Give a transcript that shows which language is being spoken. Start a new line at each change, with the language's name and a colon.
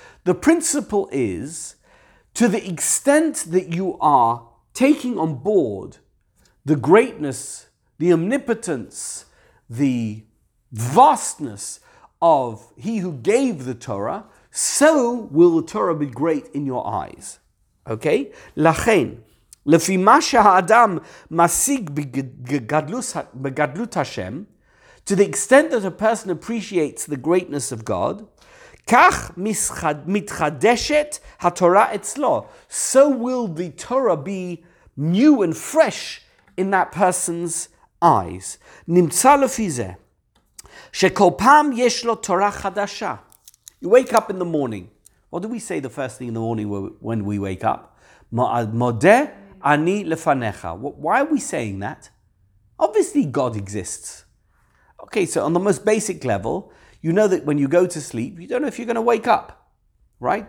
English: The principle is, to the extent that you are taking on board the greatness, the omnipotence, the vastness of He who gave the Torah, so will the Torah be great in your eyes. Okay? Lachen.
Hebrew: לפי מה שהאדם משיג בגדלות השם,
English: to the extent that a person appreciates the greatness of God,
Hebrew: כך מתחדשת התורה אצלו.
English: So will the Torah be new and fresh in that person's eyes.
Hebrew: נמצא לפי זה, שכל פעם יש לו תורה חדשה.
English: You wake up in the morning. What do we say the first thing in the morning when we wake up?
Hebrew: מודה Ani lefanecha.
English: Why are we saying that? Obviously, God exists. Okay, so on the most basic level, you know that when you go to sleep, you don't know if you're going to wake up, right?